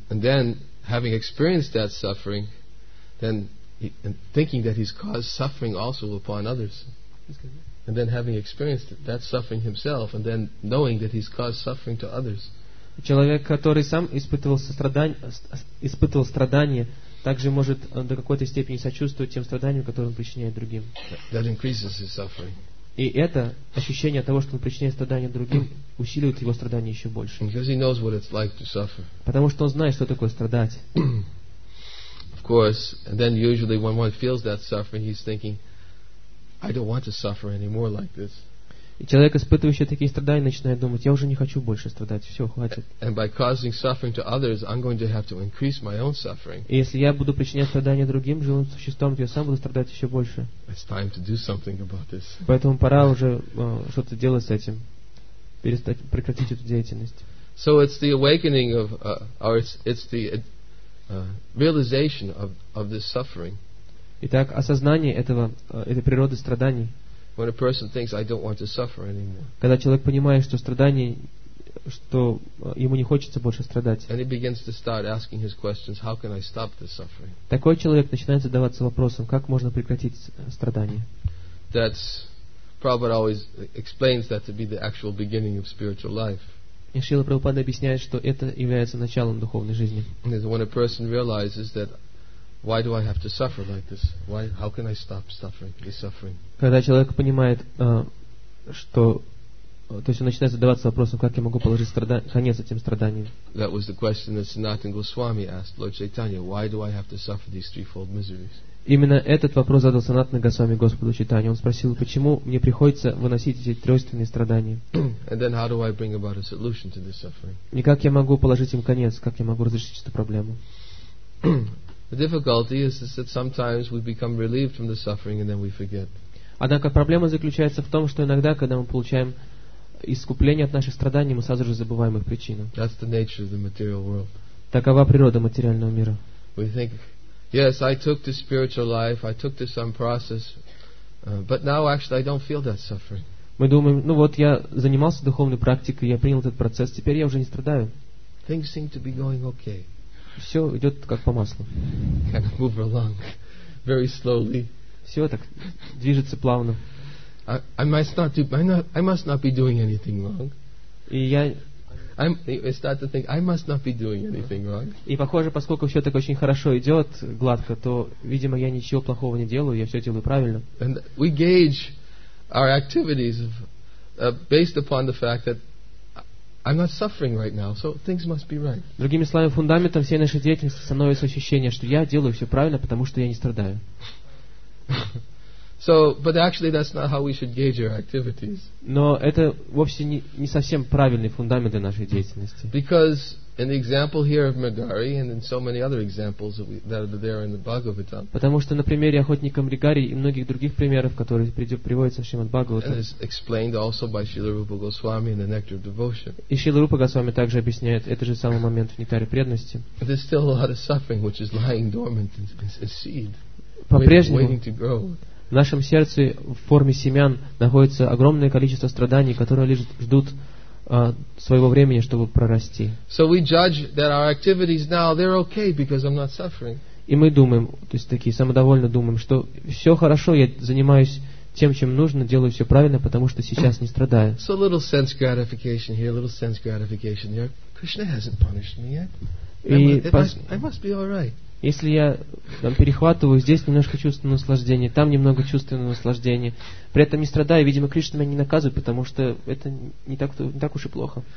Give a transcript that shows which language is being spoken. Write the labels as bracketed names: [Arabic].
[English] And then, having experienced that suffering, then and thinking that he's caused suffering also upon others. And then having experienced that suffering himself, and then knowing that he's caused suffering to others. [Russian] Человек, который сам испытывал страдания, также может до какой-то степени сочувствовать тем страданиям, которые он причиняет другим. [English] That increases his suffering. [Russian] И это ощущение того, что он причиняет страдания другим, усиливает его страдания еще больше. [English] Because he knows what it's like to suffer. [Russian] Потому что он знает, что такое страдать. [English] Of course, and then usually when one feels that suffering, he's thinking, I don't want to suffer anymore like this. [Russian] И человек, испытывающий такие страдания, начинает думать: я уже не хочу больше страдать, все, хватит. [English] And by causing suffering to others, I'm going to have to increase my own suffering. [Russian] И если я буду причинять страдания другим живым существам, то я сам буду страдать еще больше. [English] It's time to do something about this. [Russian] Поэтому пора уже что-то делать с этим, прекратить эту деятельность. [English] So it's the awakening of, or it's the realization of this suffering. [Russian] Итак, осознание этой природы страданий. [English] When a person thinks, I don't want to suffer anymore. [Russian] Когда человек понимает, что страдание, что ему не хочется больше страдать. [English] And he begins to start asking his questions, how can I stop this suffering? [Russian] Такой человек начинает задаваться вопросом, как можно прекратить страдание. [English] That's Prabhupada always explains that to be the actual beginning of spiritual life. [Russian] И Шрила Прабхупада объясняет, что это является началом духовной жизни. [English] That when a person realizes that, why do I have to suffer like this? Why? How can I stop suffering? This suffering. [Russian] Когда человек понимает, что, то есть он начинает задаваться вопросом, как я могу положить конец этим страданиям. [English] That was the question that Sanatana Goswami asked Lord Chaitanya. Why do I have to suffer these threefold miseries? [Russian] Именно этот вопрос задал Санатана Госвами Господу Чайтанье. Он спросил, почему мне приходится выносить эти тройственные страдания? [English] And then how do I bring about a solution to this suffering? [Russian] И как я могу положить им конец? Как я могу разрешить эту проблему? [English] The difficulty is that sometimes we become relieved from the suffering and then we forget. [Russian] Однако проблема заключается в том, что иногда, когда мы получаем искупление от наших страданий, мы сразу же забываем их причину. [English] That's the nature of the material world. [Russian] Такова природа материального мира. [English] We think, yes, I took to spiritual life, I took to some process, but now actually I don't feel that suffering. [Russian] Мы думаем, ну вот я занимался духовной практикой, я принял этот процесс, теперь я уже не страдаю. [English] Things seem to be going okay. [Russian] Все идет как по маслу. [English] Kind of move along, very slowly. [Russian] Все так движется плавно. [English] I must not be doing anything wrong. [Russian] И похоже, поскольку все так очень хорошо идет, гладко, то, видимо, я ничего плохого не делаю, я все делаю правильно. [English] And we gauge our activities based upon the fact that I'm not suffering right now, so things must be right. [Russian] Другими словами, фундаментом всей нашей деятельности становится ощущение, что я делаю все правильно, потому что я не страдаю. [English] So, but actually, that's not how we should gauge our activities. [Russian] Но это вовсе не совсем правильный фундамент для нашей деятельности. [English] Because in the example here of Megari and in so many other examples that are there in the Bhagavatam. [Russian] Потому что на примере охотника Мригари и многих других примеров, которые приводятся в Шримад Бхагаватам. [English] And is explained also by Śrīla Rūpa Gosvāmī in the Nectar of Devotion. [Russian] И Śrīla Rūpa Gosvāmī также объясняет этот же самый момент в Нектаре Преданности. [English] There's still a lot of suffering which is lying dormant as a seed. [Russian] По-прежнему. [English] Waiting to grow. [Russian] В нашем сердце в форме семян находится огромное количество страданий, которые лишь ждут своего времени, чтобы прорасти. [English] So we judge that our activities now, they're okay, because I'm not suffering. [Russian] И мы думаем, то есть такие самодовольно думаем, что все хорошо, я занимаюсь тем, чем нужно, делаю все правильно, потому что сейчас не страдаю. [English] So a little sense gratification here, a little sense gratification there. Krishna hasn't punished me yet. I must be all right. [Russian] Если я там перехватываю, здесь немножко чувственное наслаждение, там немного чувственное наслаждение, при этом не страдаю, видимо, Кришна меня не наказывает, потому что это не так уж и плохо.